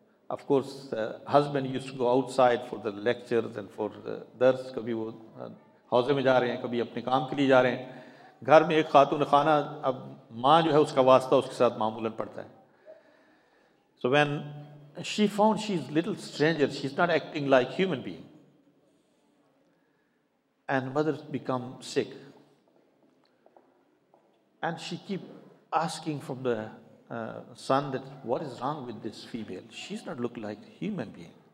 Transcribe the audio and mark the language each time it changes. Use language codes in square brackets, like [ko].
[en] Of course, husband used to go outside for the lectures and for the dars. [ur] کبھی وہ حوضے میں جا رہے ہیں, کبھی اپنے کام کے لیے جا رہے ہیں. گھر میں ایک خاتون خانہ, اب ماں جو ہے اس کا واسطہ اس کے ساتھ معمولاً پڑتا ہے. [en] So when she found she is little stranger, she is not acting like human being. And mother become sick. And she keep asking from the son that what is wrong with this female, she's not look like a human being.